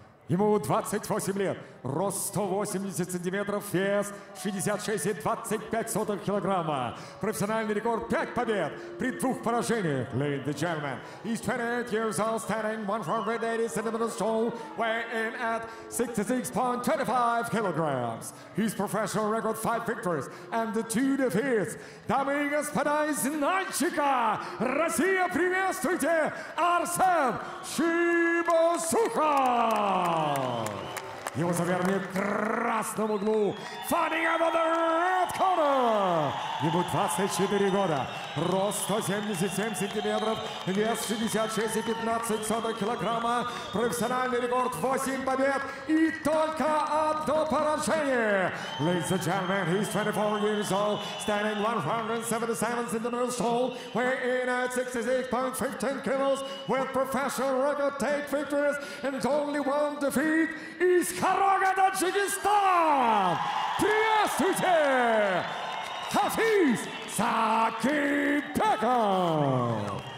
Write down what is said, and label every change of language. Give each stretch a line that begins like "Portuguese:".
Russian: Ему 28 лет, рост 180 сантиметров, вес 66,25 килограмма. Профессиональный рекорд 5 побед при 2 поражениях.
English: Ladies and gentlemen, he's 28 years old, standing 180 centimeters tall, weighing at 66.25 kilograms. His professional record 5 victories and 2 defeats.
Russian: Дамы и господа из Нальчика, Россия, приветствуйте Арсен Шибасуха! Его соперник в красном углу.
English: Fighting out of the red corner.
Russian: Ему 24 года. Рост 177 сантиметров. Вес 66,15 килограмма. Профессиональный рекорд 8 побед. И только одно поражение.
English: Ladies and gentlemen, he's 24 years old. Standing 177 centimeters tall. Weighing at 66.15 kilos. With professional record 8 victories. And only one defeat.
Russian: Из Харога Таджикистан! Приветствуйте! Хафиз Сакипеков!